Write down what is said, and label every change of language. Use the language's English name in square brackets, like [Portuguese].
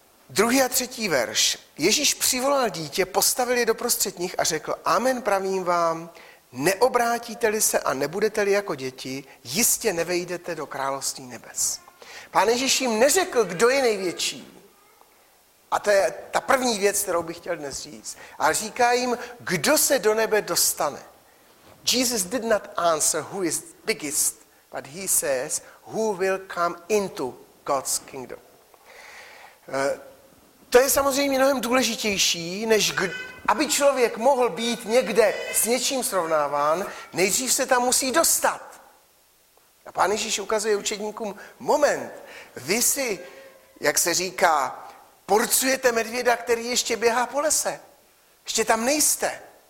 [Czech] Druhý a třetí verš. Ježíš přivolal dítě, postavil je doprostřed nich a řekl, amen pravím vám, neobrátíte-li se a nebudete-li jako děti, jistě nevejdete do království nebes. Pán Ježíš jim neřekl, kdo je největší. A to je ta první věc, kterou bych chtěl dnes říct. A říká jim, kdo se do nebe dostane. [English] Jesus did not answer who is biggest, but he says who will come into God's kingdom. [Czech] To je samozřejmě mnohem důležitější, než aby člověk mohl být někde s něčím srovnáván, nejdřív se tam musí dostat. A Pán Ježíš ukazuje učedníkům, moment, vy si, jak se říká, porcujete medvěda, který ještě běhá po lese. Ještě tam nejste.